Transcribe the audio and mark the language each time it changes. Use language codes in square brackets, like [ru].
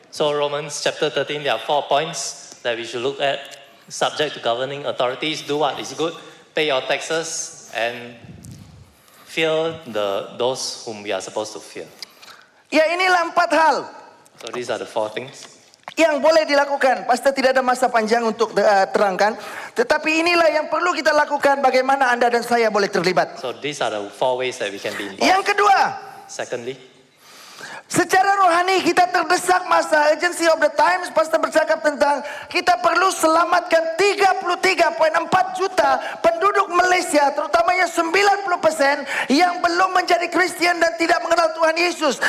[en] So Romans chapter 13, there are 4 points that we should look at. Subject to governing authorities, do what is good, pay your taxes, and fear those whom we are supposed to fear. [ms] Ya, inilah 4 hal. [en] So these are the 4 things. [ms] Yang boleh dilakukan, pasti tidak ada masa panjang untuk terangkan. Tetapi inilah yang perlu kita lakukan, bagaimana Anda dan saya boleh terlibat. [en] So these are the 4 ways that we can be involved. [ms] Yang kedua. [en] Secondly. [ms] Secara rohani kita terdesak masa. [en] Agency of the Times [ms] pasti bercakap tentang kita perlu selamatkan 33.4 juta penduduk Malaysia, terutamanya 90% yang belum menjadi Kristian dan tidak mengenal Tuhan Yesus.